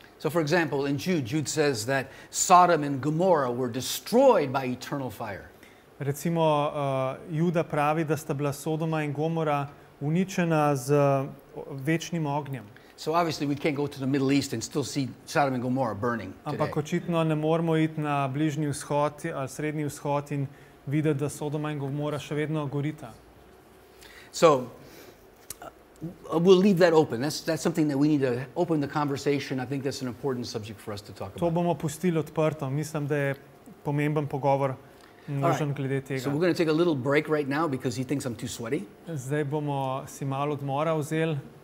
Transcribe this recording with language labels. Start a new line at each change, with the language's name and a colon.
English: So for example, in Jude says that Sodom and Gomorrah were destroyed by eternal fire.
Slovenian: Recimo, Juda pravi, da sta bila Sodoma in Gomora uničena z večnim ognjem.
English: So obviously we can't go to the Middle East and still see Sodom and Gomorrah burning today.
Slovenian: Ampak očitno ne moremo iti na bližnji vzhod ali srednji vzhod in videti, da Sodoma in Gomora še vedno gorita.
English: So we'll leave that open. That's something that we need to open the conversation. I think that's an important subject for us to talk about.
Slovenian: To bomo pustili odprto. Mislim, da je pomemben pogovor možen glede tega.
English: So we're going to take a little break right now because he thinks I'm too sweaty.
Slovenian: Zdaj bomo si malo odmora vzeli.